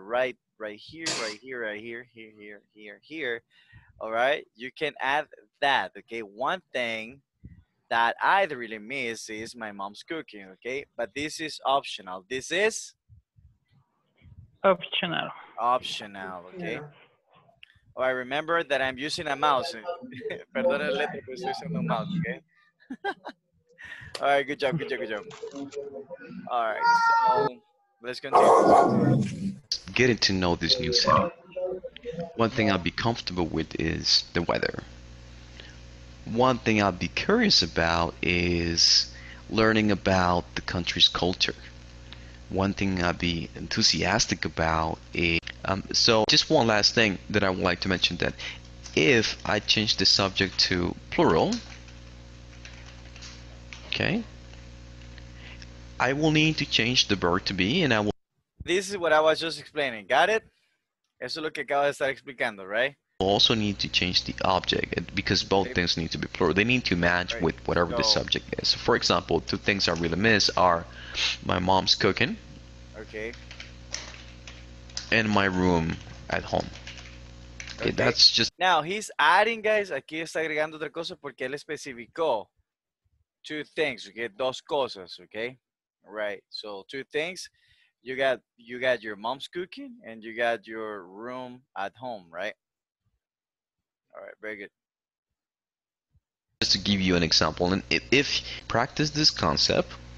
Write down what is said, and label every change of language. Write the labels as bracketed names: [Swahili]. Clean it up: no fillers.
[English] All right, you can add that. Okay, one thing that I really miss is my mom's cooking, okay? But this is optional. This is? Optional. Optional, okay? Yeah. All right, remember that I'm using a mouse. [Spanish] Perdona el letra, pero estoy usando un mouse, okay? [English] All right, good job, good job, good job. All right, so let's continue. Getting to know this new city. One thing I'll be comfortable with is the weather. One thing I'd be curious about is learning about the country's culture. One thing I'd be enthusiastic about is, so just one last thing that I would like to mention, that if I change the subject to plural, okay, I will need to change the verb to be, and I will. This is what I was just explaining. Got it? [Spanish] Eso es lo que acabo de estar explicando, right? [English] Also need to change the object because both things need to be plural. They need to match with whatever the subject is. For example, two things I really miss are my mom's cooking and my room at home. Okay, that's just now he's adding, guys. [Spanish] Aquí está agregando otra cosa porque él especificó [English] two things. Okay, [Spanish] dos cosas. [English] Okay, right. So two things. You got your mom's cooking and you got your room at home, right? All right, very good. Just to give you an example, and if practice this concept.